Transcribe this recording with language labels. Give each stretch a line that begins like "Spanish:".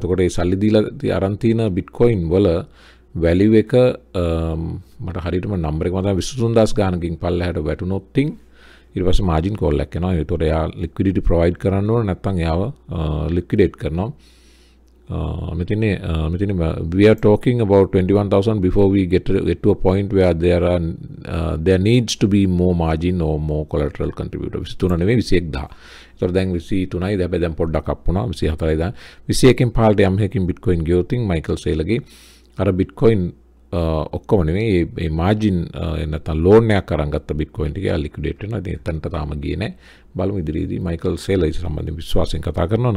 Sinhala: එතකොට මේ සල්ලි දීලා අරන් තින බිට්කොයින් වල වැලිව් එක මට හරියටම නම්බර් එක මතක 23,000 ගානකින් පල්ලෙහාට වැටුනොත් ඉතින් ඊට පස්සේ මාර්ජින් කෝල් එකක් එනවා. ඒතකොට එයා ලික්විඩිටි ප්‍රොවයිඩ් කරන්න ඕන, නැත්නම් එයාව ලික්විඩේට් කරනවා. මෙතනේ
English: we are talking about 21,000 before we get to a point where there needs to be more margin or more collateral contributor.
Sinhala: 23 නෙවෙයි 21,000. ඒතකොට දැන් 23යි. හැබැයි දැන් පොඩ්ඩක් අප් වුණා 24යි. දැන් 21කින් පහළට යම් හැකින් බිට්කොයින් ගියොත්ින් මයිකල් සේලගේ අර බිට්කොයින් ඔක්කොම නෙමෙයි, මේ මාර්ජින් නැත්තම් ලෝන් එකක් අරන් ගත්ත බිට්කොයින් ටික ලික්විඩේට් වෙනවා. ඉතින් එතනට තාම ගියේ නැහැ. බලමු ඉදිරියේදී මයිකල් සේලර් සම්බන්ධයෙන් විශ්වාසයෙන් කතා කරනවා.